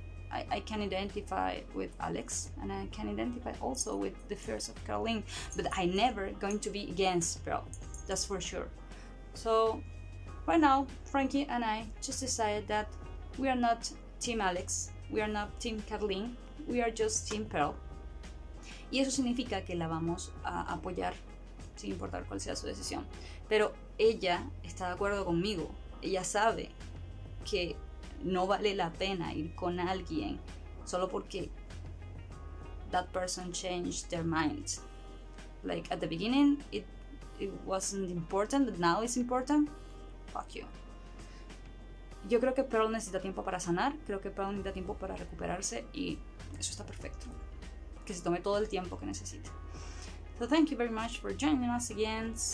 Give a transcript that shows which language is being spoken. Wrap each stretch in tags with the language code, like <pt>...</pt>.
<en>I can identify with Alex. And I can identify also with the fears of Caroline. But I never going to be against Pearl. That's for sure. So right now, Frankie and I just decided that we are not Team Alex. We are not Team Caroline, we are just Team Pearl.</en> <es>Y eso significa que la vamos a apoyar, sin importar cuál sea su decisión. Pero ella está de acuerdo conmigo. Ella sabe que no vale la pena ir con alguien solo porque</es> <en>that person changed their mind. Like at the beginning it wasn't important, but now it's important. Fuck you.</en> <es>Yo creo que Pearl necesita tiempo para sanar, creo que Pearl necesita tiempo para recuperarse y eso está perfecto. Que se tome todo el tiempo que necesite.</es> <en>So thank you very much for joining us again.</en>